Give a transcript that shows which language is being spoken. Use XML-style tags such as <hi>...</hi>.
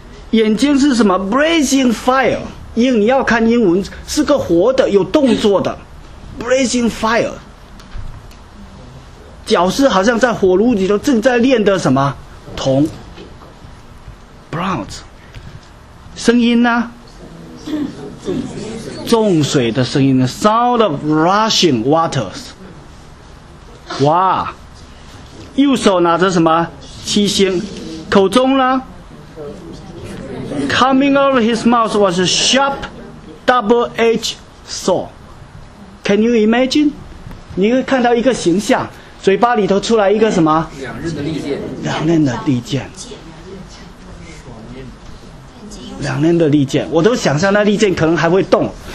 <zh>眼睛是什么 ？</zh> <en>Blazing fire，</en> <zh>因为你要看英文是个活的，有动作的 ，Blazing fire。脚是好像在火炉里头正在炼的什么铜 ，Bronze。声音呢？重水的声音呢 ？</zh> <en>Sound of rushing waters。</en> <zh>哇，右手拿着什么七星，口中呢？</zh> <en>Coming out of his mouth was a sharp, double-edged sword. Can you imagine?</en> <zh>你会看到一个形象，嘴巴里头出来一个什么？两刃的利剑。两刃的利剑，我都想象那利剑可能还会动。</zh>